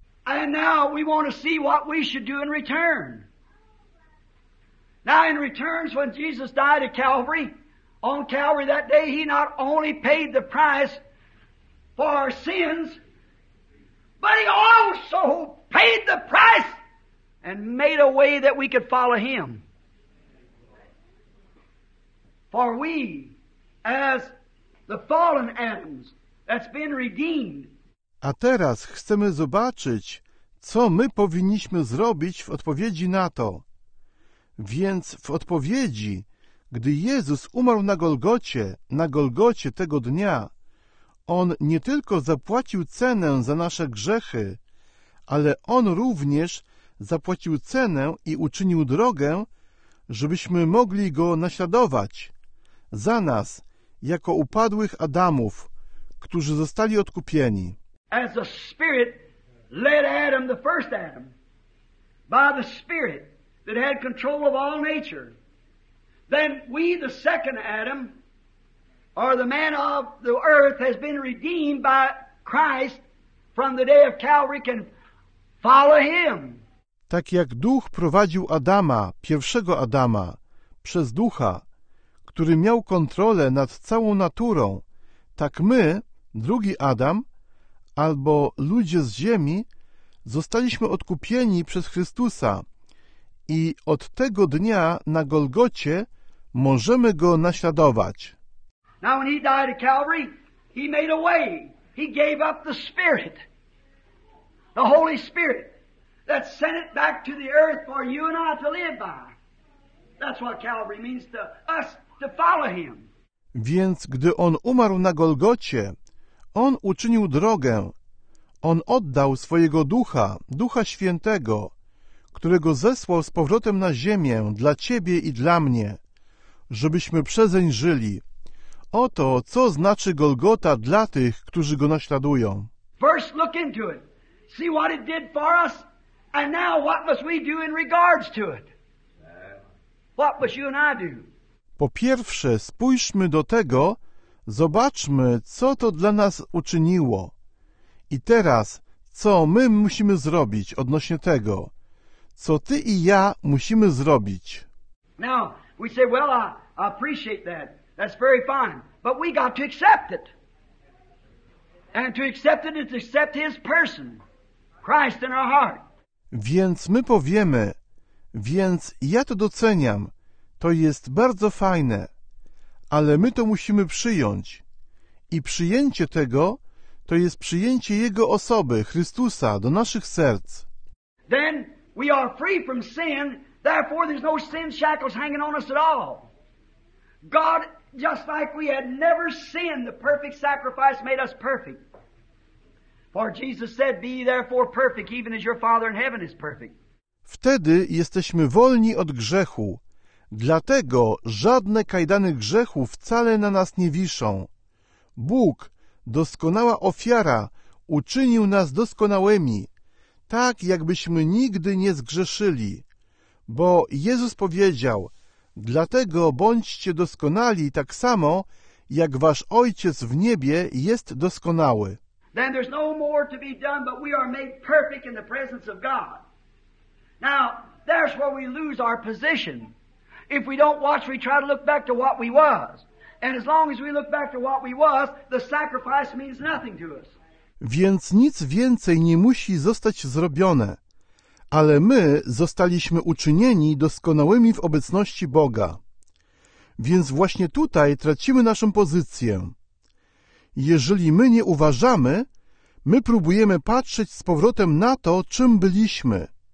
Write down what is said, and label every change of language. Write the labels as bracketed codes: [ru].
[en] And now we want to see what we should do in return. Now in return, when Jesus died at Calvary, on Calvary that day, he not only paid the price for our sins, but he also paid the price and made a way that we could follow him. For we, as the fallen Adams that's been redeemed. [pl] A teraz chcemy zobaczyć, co my powinniśmy zrobić w odpowiedzi na to. Więc w odpowiedzi, gdy Jezus umarł na Golgocie tego dnia, on nie tylko zapłacił cenę za nasze grzechy, ale on również zapłacił cenę i uczynił drogę, żebyśmy mogli go naśladować. Za nas, jako upadłych Adamów, którzy zostali odkupieni. [en] As the Spirit led Adam, the first Adam, by the Spirit that had control of all nature, then we, the second Adam, or the man of the earth, has been redeemed by Christ from the day of Calvary, can follow him. [pl] Tak jak Duch prowadził Adama, pierwszego Adama, przez Ducha, który miał kontrolę nad całą naturą, tak my, drugi Adam, albo ludzie z ziemi, zostaliśmy odkupieni przez Chrystusa i od tego dnia na Golgocie możemy Go naśladować. [en] Now when he died at Calvary, he made a way. He gave up the Spirit, the Holy Spirit. That sent it back to the earth for you and I to live by. That's what Calvary means to us, to follow him. [pl] Więc gdy on umarł na Golgocie, on uczynił drogę. On oddał swojego ducha, Ducha Świętego, którego zesłał z powrotem na ziemię dla ciebie i dla mnie, żebyśmy przezeń żyli. Oto co znaczy Golgota dla tych, którzy go naśladują. [en] First look into it. See what it did for us. And now what must we do in regards to it? What must you and I do? [pl] Po pierwsze, spójrzmy do tego, zobaczmy, co to dla nas uczyniło. I teraz, co my musimy zrobić odnośnie tego? Co ty i ja musimy zrobić? [en] Now, we say, well, I appreciate that. That's very fine. But we got to accept it. And to accept it is to accept his person, Christ in our heart. [pl] Więc my powiemy, więc ja to doceniam, to jest bardzo fajne, ale my to musimy przyjąć. I przyjęcie tego, to jest przyjęcie Jego osoby, Chrystusa, do naszych serc. [en] Then we are free from sin, therefore there's no sin shackles hanging on us at all. God, just like we had never sinned, the perfect sacrifice made us perfect. For Jesus said, be therefore perfect, even as your Father in heaven is perfect. [pl] Wtedy jesteśmy wolni od grzechu, dlatego żadne kajdany grzechu wcale na nas nie wiszą. Bóg, doskonała ofiara, uczynił nas doskonałymi, tak jakbyśmy nigdy nie zgrzeszyli. Bo Jezus powiedział, dlatego bądźcie doskonali tak samo, jak wasz Ojciec w niebie jest doskonały. [en] Then there's no more to be done, but we are made perfect in the presence of God. Now, there's where we lose our position. If we don't watch, we try to look back to what we was. And as long as we look back to what we was, the sacrifice means nothing to us. [pl] Więc nic więcej nie musi zostać zrobione. Ale my zostaliśmy uczynieni doskonałymi w obecności Boga. Więc właśnie tutaj tracimy naszą pozycję. Jeżeli my nie uważamy, my próbujemy patrzeć z powrotem na to, czym byliśmy.